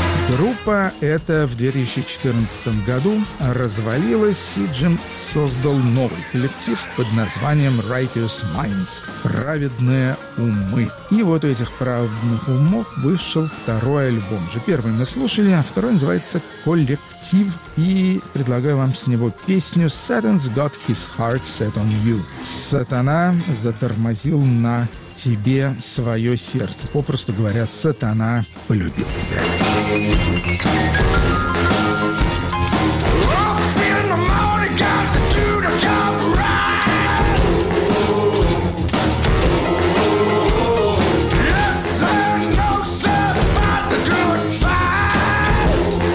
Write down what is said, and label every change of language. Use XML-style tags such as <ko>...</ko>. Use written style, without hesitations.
<ru>Группа эта в 2014 году развалилась, и Джим создал новый коллектив под названием Righteous Minds – «Праведные умы». И вот у этих «Праведных умов» вышел второй альбом. Же первый мы слушали, а второй называется «Коллектив». И предлагаю вам с него песню «Satan's got his heart set on you». «Сатана затормозил на тебе свое сердце». Попросту говоря, «Сатана полюбил тебя».</ru> <en>Up in the morning, got to do the job right. Yes, sir, no, sir, fight the good fight.</en>